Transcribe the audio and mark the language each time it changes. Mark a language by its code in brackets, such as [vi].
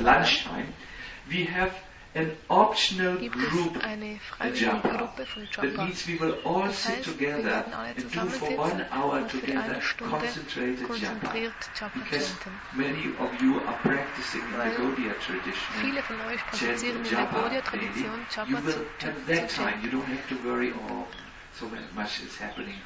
[en] lunchtime, we have an optional group, a japa. That means we will all sit together and do for 1 hour together concentrated japa. Because many of you are practicing in the Gaudiya tradition. [de] Viele von euch praktizieren in der Gaudiya Tradition japa. [en] You will have that time. You don't have to worry, oh, so much is happening.